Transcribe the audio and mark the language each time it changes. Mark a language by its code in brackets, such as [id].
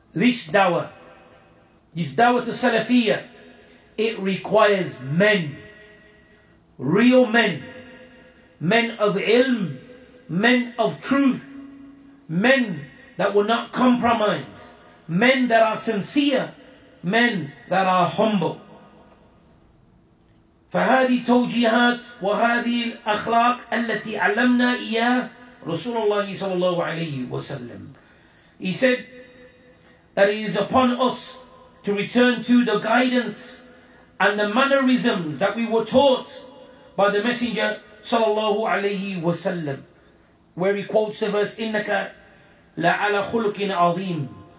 [en] This dawah to Salafiyyah, it requires men, real men, men of ilm, men of truth, men that will not compromise, men that are sincere, men that are humble. [ar] فهذه التوجيهات وهذه الأخلاق التي علمنا إياه رسول الله صلى الله عليه وسلم. [en] He said that it is upon us to return to the guidance and the mannerisms that we were taught by the Messenger sallallahu alayhi wa sallam, where he quotes the verse, [ar] إِنَّكَ لَعَلَى خُلُقٍ عَظِيمٍ.